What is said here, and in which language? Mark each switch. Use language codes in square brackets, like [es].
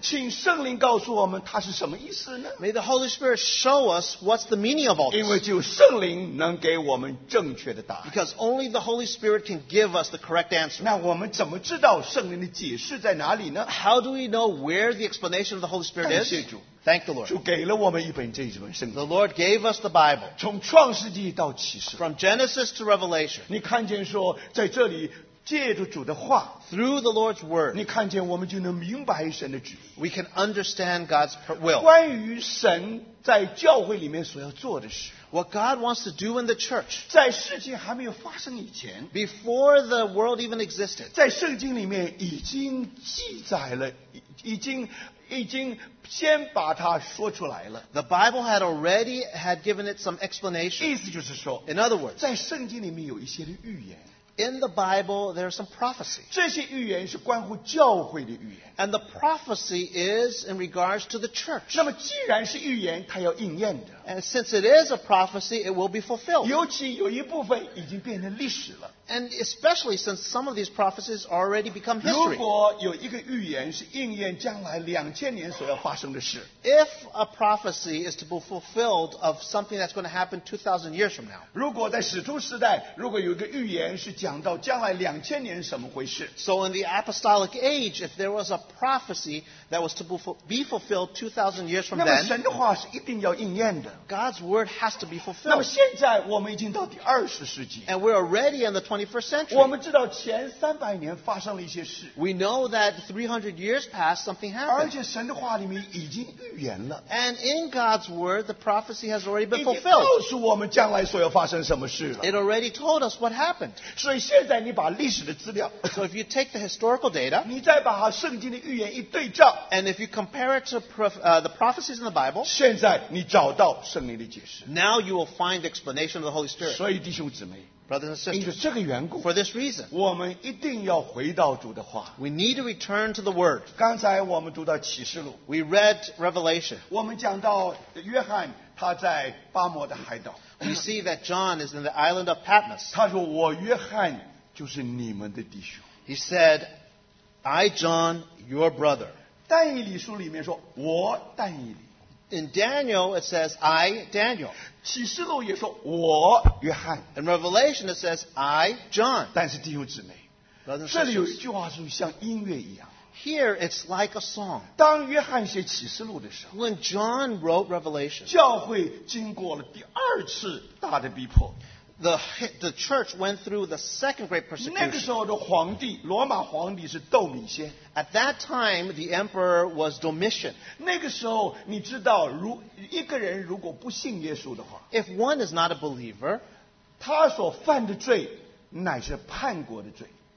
[zh] 请圣灵告诉我们它是什么意思呢? [en] May the Holy Spirit show us what's the meaning of all this. [zh] 因为只有圣灵能给我们正确的答案。 [en] Because only the Holy Spirit can give us the correct answer. [zh] 那我们怎么知道圣灵的解释在哪里呢? [en] How do we know where the explanation of the Holy Spirit is? [zh] 感谢主, [en] Thank the Lord. [zh] 主给了我们一本这一本圣经。 [en] The Lord gave us the Bible. [zh] 从创世纪到启示。 [en] From Genesis to Revelation. [zh] 你看见说在这里, 借着主的话, [en] Through the Lord's word, [zh] 你看见我们就能明白神的旨意。 [en] We can understand God's will. [zh] 关于神在教会里面所要做的事, [en] What God wants to do in the church, [zh] 在事情还没有发生以前, [en] Before the world even existed, [zh] 在圣经里面已经记载了, [en] The Bible had already had given it some explanation. [zh] 意思就是说, [en] In other words, [zh] 在圣经里面有一些的预言, [en] In the Bible, there are some prophecies. [zh] 这些预言是关乎教会的预言。 [en] And the prophecy is in regards to the church. [zh] 那么既然是预言, 它要应验的。 [en] And since it is a prophecy, it will be fulfilled. [zh] 尤其有一部分已经变成历史了。 [en] And especially since some of these prophecies already become history. [zh] 如果有一个预言是应验将来2000年所要发生的事, [en] If a prophecy is to be fulfilled of something that's going to happen 2,000 years from now, [zh] 如果在使徒时代, 如果有一个预言是讲到将来2000年什么回事, [en] So in the apostolic age, if there was a prophecy that was to be fulfilled 2,000 years from then, [zh] 那么神的话是一定要应验的。 [en] God's word has to be fulfilled. [zh] 那么现在我们已经到第20世纪, [en] And we're already in the 21st century. [zh] 我们知道前300年发生了一些事, [en] We know that 300 years passed, something happened. [zh] 而且神的话里面已经预言了。 [en] And in God's word, the prophecy has already been fulfilled. [zh] 已经告诉我们将来所要发生什么事了。 [en] It already told us what happened. [zh] 所以现在你把历史的资料, [en] So if you take the historical data, [zh] 你再把圣经的预言一对照, [en] And if you compare it to the prophecies in the Bible, [zh] 现在你找到, [en] Now you will find the explanation of the Holy Spirit. [zh] 所以弟兄姊妹, [en] Brothers and sisters, [zh] 因着这个缘故, [en] For this reason, [zh] 我们一定要回到主的话, [en] We need to return to the Word. [zh] 刚才我们读到启示录, [en] We read Revelation. [zh] 我们讲到约翰, 他在巴摩的海岛, [en] You see that John is in the island of Patmos. [zh] 他说, 我约翰就是你们的弟兄。 [en] He said, I, John, your brother. [zh] 但以理书里面说, 我但以理。 [en] In Daniel, it says, I, Daniel. [zh] 启示录也说, 我, 约翰。 [en] In Revelation, it says, I, John. [zh] 但是弟兄姊妹, 这里有一句话是像音乐一样。 [en] Here, it's like a song. [zh] 当约翰写启示录的时候, [en] when John wrote Revelation, [zh] 教会经过了第二次大的逼迫, [en] the church went through the second great persecution. [zh] 那个时候的皇帝, 罗马皇帝是窦敏先, [en] at that time, the emperor was Domitian. [zh] 那个时候你知道, 一个人如果不信耶稣的话, [en] if one is not a believer, [zh] 他所犯的罪乃是叛国的罪。